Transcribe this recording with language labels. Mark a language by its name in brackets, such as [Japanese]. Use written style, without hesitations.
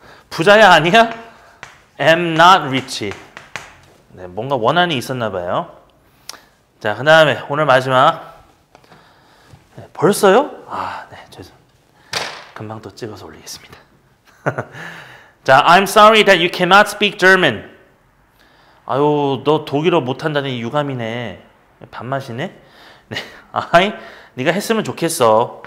[Korean] 부자야 아니야? [English] Am not rich. [Korean] 네, 뭔가 원한이 있었나 봐요. 자, 그 다음에 오늘 마지막. 네, 벌써요? 아, 네, 죄송. 금방 또 찍어서 올리겠습니다. [English] 자, I'm sorry that you cannot speak German. [Korean] 아유, 너 독일어 못한다니 유감이네. 밥맛이네? 네, 아이, 네가 했으면 좋겠어.